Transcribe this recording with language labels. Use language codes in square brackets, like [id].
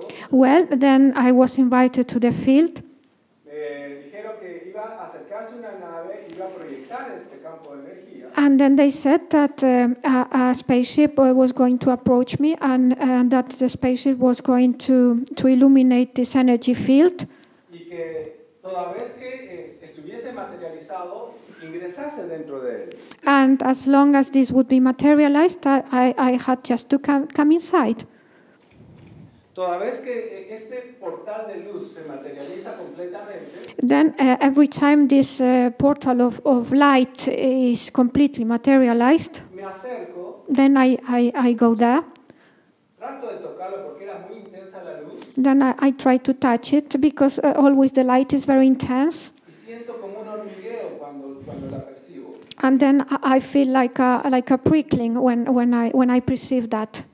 [en] Well, then I was invited to the field. [es] Dijeron que iba a acercarse una nave, iba a proyectar este campo de energía. [en] And then they said that a spaceship was going to approach me, and that the spaceship was going to illuminate this energy field. [es] Y que toda vez que estuviese materializado, ingresase dentro de él. [en] And as long as this would be materialized, I had just to come inside. [es] Toda vez que este portal de luz se materializa completamente, [en] then every time this portal of light is completely materialized, [es] me acerco, [en] then I go there. [es] Trato de tocarlo porque era muy intensa la luz. [en] Then I try to touch it because always the light is very intense. [es] Y siento como un hormigueo cuando la percibo. [en] And then I feel like a prickling when I perceive that.